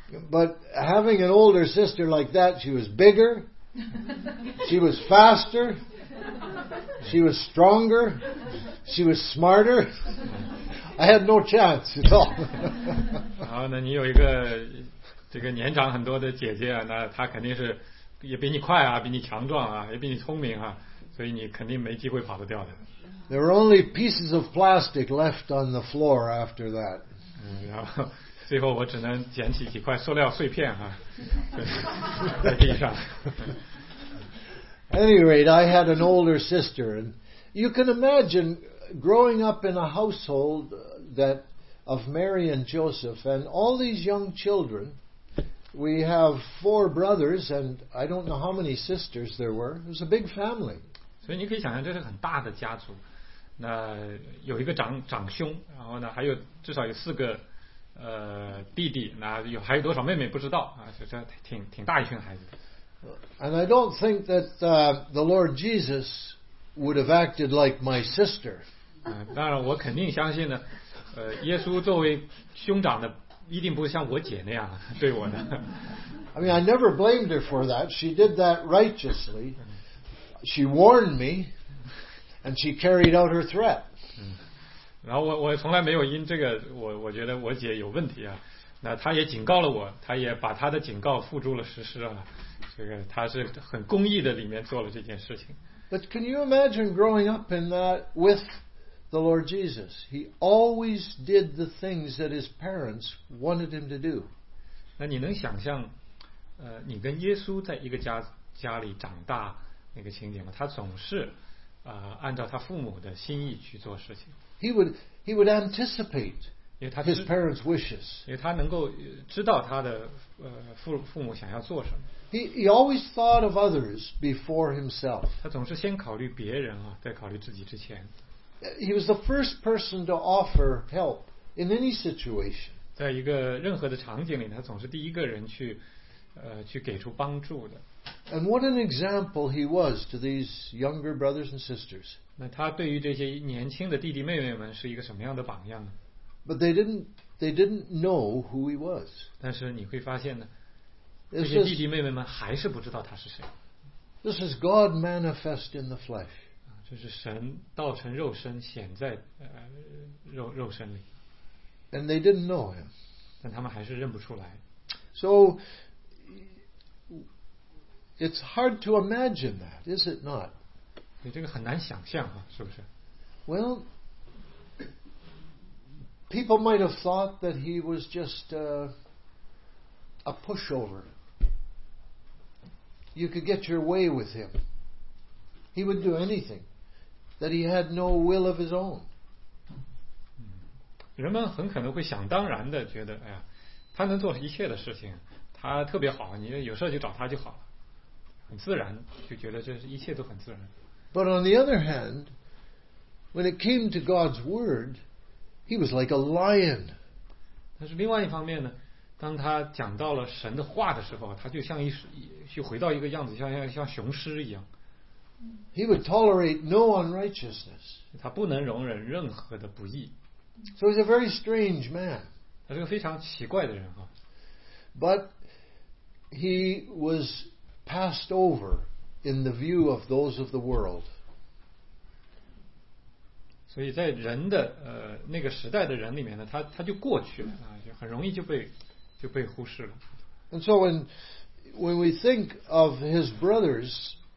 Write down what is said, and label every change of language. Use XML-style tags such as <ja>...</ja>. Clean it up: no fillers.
<en>But having an older sister like that, she was bigger, she was faster, she was stronger, she was smarter. I had no chance at all.</en> <zh>然后呢，你有一个这个年长很多的姐姐，那她肯定是也比你快啊，比你强壮啊，也比你聪明啊，所以你肯定没机会跑得掉的。</zh> <en>There were only pieces of plastic left on the floor after that.</en> <zh>然后最后我只能捡起几块塑料碎片啊，在地上。</zh> <en>Anyway, I had an older sister, and you can imagine growing up in a household that of Mary and Joseph and all these young children. We have four brothers, and I don't know how many sisters there were. It was a big family.</en> <zh>所以你可以想象，这是很大的家族。那有一个长兄，然后呢，还有至少有四个弟弟，那有还有多少妹妹不知道啊？就这挺大一群孩子。</zh> <en>And I don't think that the Lord Jesus would have acted like my sister.</en> <zh>当然，我肯定相信呢，耶稣作为兄长的。一定不是像我姐那样对我的。</zh> <en>I mean, I never blamed her for that. She did that righteously. She warned me, and she carried out her threat.</en> <zh>然后我从来没有因这个我觉得我姐有问题啊。那她也警告了我，她也把她的警告付诸了实施啊。这个她是很公义的里面做了这件事情。</zh> <en>But can you imagine growing up in that with? The Lord Jesus, He always did the things that His parents wanted Him to do.</en> <zh>那你能想象，你跟耶稣在一个家里长大那个情景吗？他总是，按照他父母的心意去做事情。</zh> <en>He would anticipate His parents' wishes.</en> <zh>因为他能够知道他的父母想要做什么。</zh> <en>He always thought of others before Himself.</en> <zh>他总是先考虑别人啊，再考虑自己之前。</zh> <en>He was the first person to offer help in any situation.</en> <zh>在一个任何的场景里，他总是第一个人去给出帮助的。</zh> <en>And what an example he was to these younger brothers and sisters.</en> <zh>那他对于这些年轻的弟弟妹妹们是一个什么样的榜样呢？</zh> <en>But they didn't know who he was.</en> <zh>但是你会发现呢，这些弟弟妹妹们还是不知道他是谁。</zh> <en>This is God manifest in the flesh.</en> <zh>就是神道成肉身显在肉身里。</zh> <en>And they didn't know him.</en> <zh>但他们还是认不出来。</zh> <en>So, it's hard to imagine that, is it not?</en> <zh>你这个很难想象啊，是不是？</zh> <en>Well, people might have thought that he was just a pushover. You could get your way with him. He would do anything. That he had no will of his own.</en> <zh>人们很可能会想当然的觉得，哎呀，他能做一切的事情，他特别好，你有事就找他就好了，很自然，就觉得这是一切都很自然。</zh> <en>But on the other hand, when it came to God's word, he was like a lion.</en> <zh>但是另外一方面呢，当他讲到了神的话的时候，他就像就回到一个样子，像雄狮一样。</zh> <en>He would tolerate no unrighteousness.</en> <zh>他不能容忍任何的不义。</zh> <en>So he's a very strange man.</en> <zh>他是个非常奇怪的人啊。</zh> <en>But he was passed over in the view of those of the world.</en> <zh>所以在人的那个时代的人里面呢，他就过去了啊，就很容易就被忽视了。</zh> <en>And so when we think of his brothers.</en>